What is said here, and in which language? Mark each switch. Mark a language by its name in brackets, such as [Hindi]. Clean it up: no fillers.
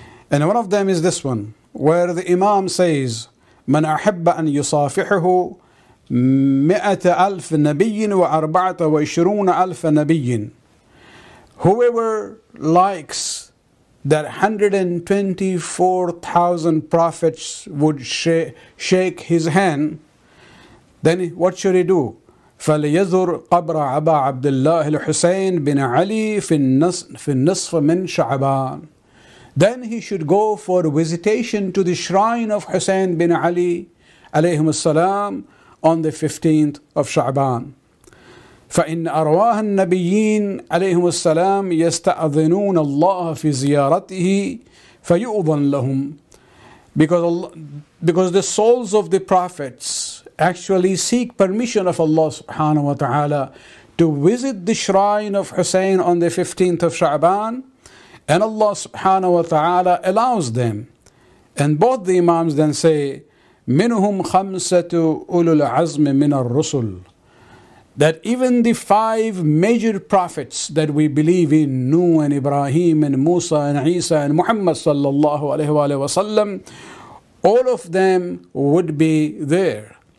[English] And one of them is this one, where the Imam says, [Arabic] "Man ahabba an yusafihuhu 100,000 نبي و24,000 نبي." [English] Whoever likes that 124,000 prophets would shake his hand, then what should he do? [Arabic] فليزر قبر أبا عبد الله الحسين بن علي في النصف من شعبان. [English] Then he should go for visitation to the shrine of Hussein bin Ali عليهم السلام on the 15th of Sha'ban. [Arabic] فإن أرواح النبيين عليهم السلام يستأذنون الله في زيارته فيؤذن لهم. [English] Because the souls of the prophets actually seek permission of Allah subhanahu wa ta'ala to visit the shrine of Hussein on the 15th of Sha'ban, and Allah subhanahu wa ta'ala allows them. And both the Imams then say, [Arabic] منهم خمسة أولو العزم من الرسل, [English] that even the five major prophets that we believe in, Nuh and Ibrahim and Musa and Isa and Muhammad sallallahu alayhi wa sallam, all of them would be there.